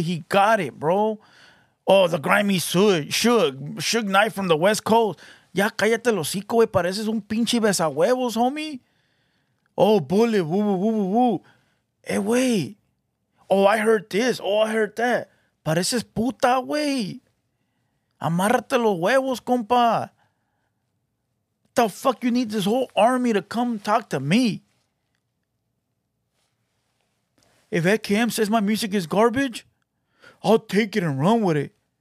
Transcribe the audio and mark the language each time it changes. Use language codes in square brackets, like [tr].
[en] He got it, bro. Oh, the grimy Shug Knight from the West Coast. [es] Ya cállate el hocico, güey. Pareces un pinche besahuevos, homie. Oh, Bullet. Woo, woo, woo, woo, woo. Hey, güey. [en] Oh, I heard this. Oh, I heard that. [es] Pareces puta, güey. Amárrate los huevos, compa. [en] What the fuck you need this whole army to come talk to me? If AKM says my music is garbage, I'll take it and run with it.